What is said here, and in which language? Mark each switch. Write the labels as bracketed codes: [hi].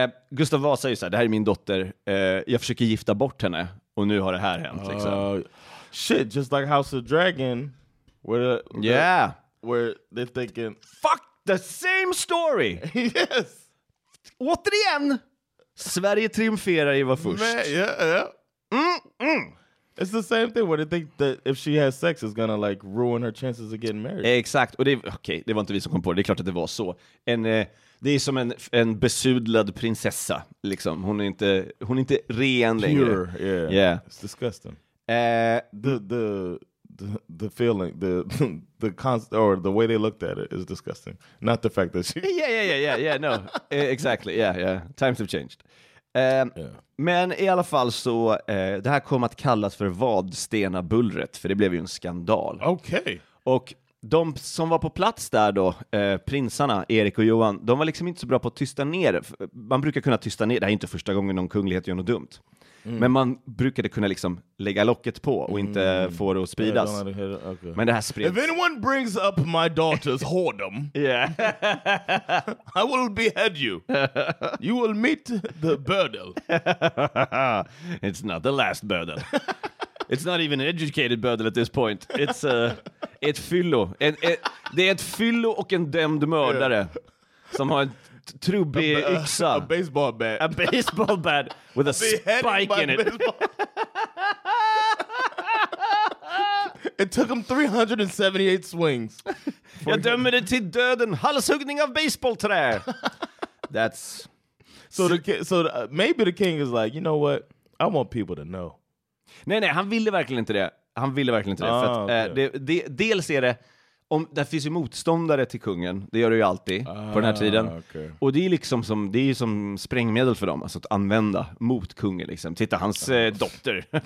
[sv] Gustav Vasa är ju så här, det här är min dotter. Jag försöker gifta bort henne och nu har det här hänt. Liksom. [en] Shit, just like House of Dragon. Where they're thinking, fuck, the same story! Yes! [sv] Återigen, Sverige triumferar i var först. [en] Man, yeah. Mm. It's the same thing where they think that if she has sex it's gonna like ruin her chances of getting married. [sv] Exakt, och det var inte vi som kom på det. Det är klart att det var så. Det är som en besudlad prinsessa. Liksom. Hon är inte ren längre. [en] Pure, yeah. Yeah. It's disgusting. The feeling, the constant, or the way they looked at it is disgusting. Not the fact that she... Yeah, no. Exactly, yeah. Times have changed. [sv] Men i alla fall så, det här kom att kallas för Vadstena bullret, för det blev ju en skandal. Okej. Okay. Och de som var på plats där då, prinsarna, Erik och Johan, de var liksom inte så bra på att tysta ner. Man brukar kunna tysta ner, det här är inte första gången någon kunglighet gör något dumt. Mm. Men man brukade kunna liksom lägga locket på och inte få det att spridas. [en] Yeah, okay. [sv] Men det här spreds. [en] If anyone brings up my daughter's whoredom, yeah. I will behead you. You will meet the burdel. It's not the last burdel. It's not even an educated burdel at this point. [sv] It's ett fyllo. Det är ett fyllo och en dömd mördare som har ett... Trubbig yxa. [en] A baseball bat. A baseball bat with a beheaded spike in it. It took him 378 swings. [sv] Jag dömer det till döden. Halshuggning av baseballträ. [en] That's... So maybe the king is like, you know what? I want people to know. [sv] Nej, han ville verkligen inte det. Han ville verkligen inte det. För att, dels är det... Om det finns ju motståndare till kungen, det gör det ju alltid på den här tiden. [en] Okay. [sv] Och det är liksom som det är ju som sprängmedel för dem, alltså att använda mot kungen liksom. Titta hans dotter.